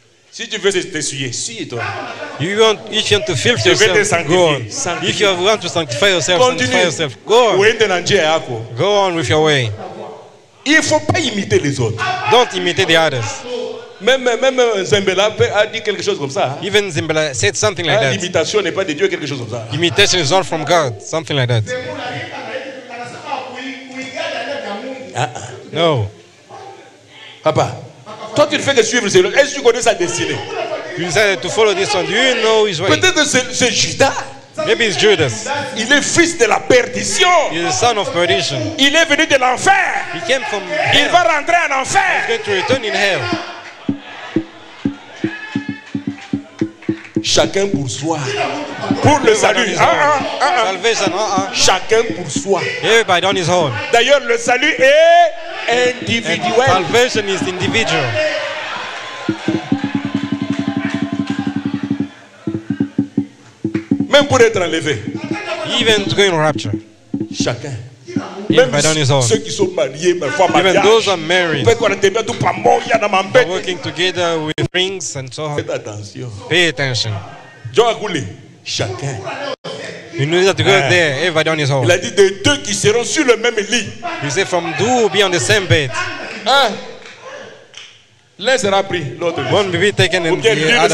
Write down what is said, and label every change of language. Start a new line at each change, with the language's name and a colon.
French: Si tu veux t'essuyer, suis-toi.
English: You want, if you want to filth yourself, go on. If you want to sanctify yourself, sanctify yourself. Go on. Go on with your way.
French: Il faut pas imiter les autres.
English: Don't imitate the others.
French: Même Zembela a dit quelque chose comme ça.
English: Even Zembela said something like that.
French: L'imitation n'est pas de Dieu, quelque chose comme ça.
English: Imitation is not from God. Something like that. No.
French: Papa. Toi, tu fais de suivre celui-là. Est-ce que tu connais sa destinée?
English: You said to follow this one. Do you know his way?
French: Peut-être que c'est Judas.
English: Maybe it's Judas.
French: Il est fils de la perdition.
English: He's the son of perdition.
French: Il est venu de l'enfer.
English: He came from hell.
French: Il va rentrer en enfer.
English: He's going to return in hell.
French: Chacun pour soi. Pour le salut.
English: Salvation.
French: Chacun pour soi.
English: Everybody on his own.
French: D'ailleurs, le salut est individuel.
English: And salvation is individual.
French: Même pour être enlevé.
English: Even to go in rapture.
French: Chacun.
English: Everybody on his own.
French: Ceux qui sont mariés, mais foi mariage.
English: Even those are married. They're working together with rings and so on.
French: Faites attention.
English: Pay attention.
French: Joakouli. Chacun.
English: You know that to go there, everybody on his own.
French: Il a dit de deux qui seront sur le même lit.
English: He said from two will be on the same bed.
French: L'un sera pris, l'autre.
English: One will be taken and the other